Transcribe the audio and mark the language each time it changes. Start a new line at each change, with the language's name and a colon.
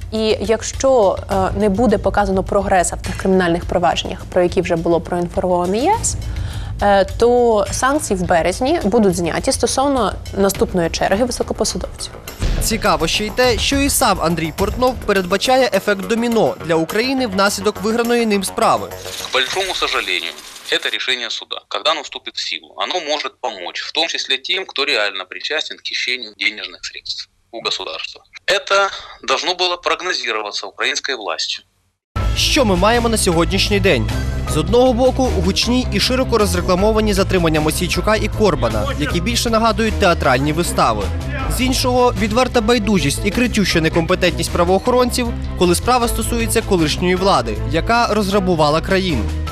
Ukrainian: І якщо не буде показано прогресу в тих кримінальних провадженнях, про які вже було проінформовано ЄС, то санкції в березні будуть зняті стосовно наступної черги високопосадовців. Цікаво ще й те, що і сам Андрій Портнов передбачає ефект доміно для України внаслідок виграної ним справи.
Russian: К большому сожалению, это решение суда, когда оно вступит в силу, оно может помочь, в том числе тем, кто реально причастен к хищению денежных средств у государства. Это должно было прогнозироваться украинской властью.
Ukrainian: Що ми маємо на сьогоднішній день? З одного боку, гучні і широко розрекламовані затримання Мосійчука і Корбана, які більше нагадують театральні вистави. З іншого, відверта байдужість і кричуща некомпетентність правоохоронців, коли справа стосується колишньої влади, яка розграбувала країну.